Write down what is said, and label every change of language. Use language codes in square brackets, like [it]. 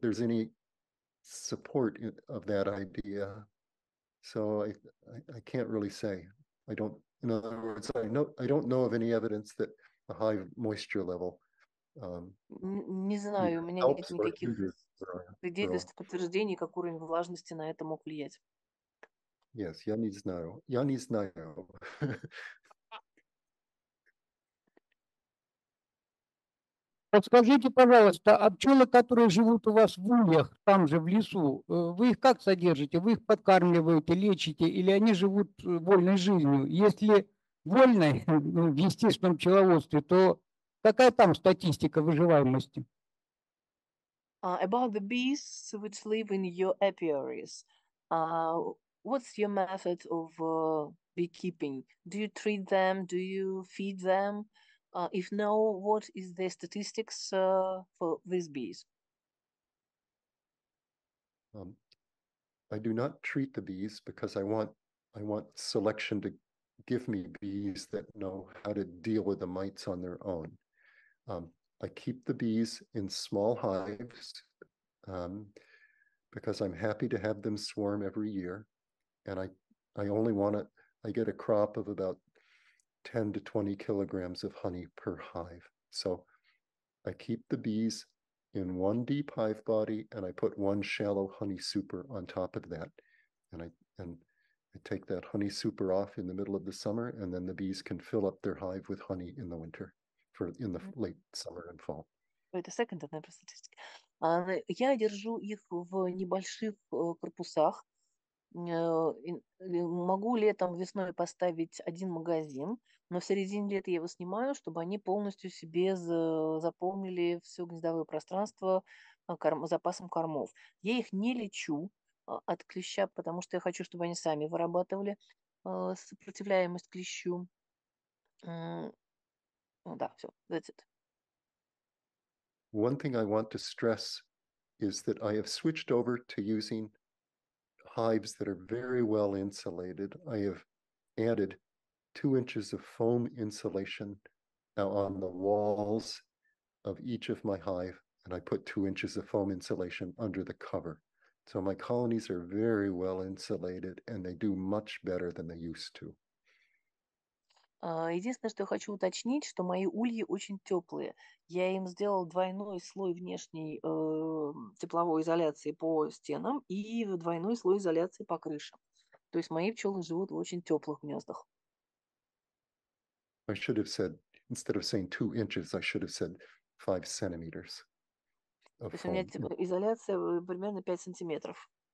[en] There's any support of that idea, so I can't really say. I don't. In other words, I don't know of any evidence that a high moisture level. [ru] Не знаю, у меня нет никаких свидетельств, подтверждений, как уровень влажности на это мог влиять. Yes, я не знаю. Я не знаю. Подскажите, пожалуйста, а пчелы, которые живут у вас в ульях, там же в лесу, вы их как содержите? Вы их подкармливаете, лечите, или они живут вольной жизнью? Если вольной, ну, в естественном пчеловодстве, то какая там статистика выживаемости? [en] About the bees which live in your apiaries, what's your method of beekeeping? Do you treat them? Do you feed them? If no, what is the statistics for these bees? I do not treat the bees because I want selection to give me bees that know how to deal with the mites on their own. I keep the bees in small hives because I'm happy to have them swarm every year. And I get a crop of about 10 to 20 kilograms of honey per hive. So I keep the bees in one deep hive body and I put one shallow honey super on top of that. And I take that honey super off in the middle of the summer, and then the bees can fill up their hive with honey in the winter, for in the late summer and fall. [ru] Это секундарная статистика. Я держу их в небольших корпусах. Могу летом, весной поставить один магазин, но в середине лета я его снимаю, чтобы они полностью себе заполнили все гнездовое пространство запасом кормов. Я их не лечу от клеща, потому что я хочу, чтобы они сами вырабатывали сопротивляемость к клещу. Да, все, [en] that's it. One thing I want to stress is that I have switched over to using hives that are very well insulated. I have added 2 inches of foam insulation on the walls of each of my hive, and I put 2 inches of foam insulation under the cover. So my colonies are very well insulated, and they do much better than they used to. [ru] Единственное, что я хочу уточнить, что мои ульи очень теплые. Я им сделал двойной слой внешней тепловой изоляции по стенам и двойной слой изоляции по крышам. То есть мои пчелы живут в очень теплых гнездах. [en] I should have said, instead of saying 2 inches, I should have said 5 centimeters. [ru] То есть у меня изоляция примерно 5 сантиметров.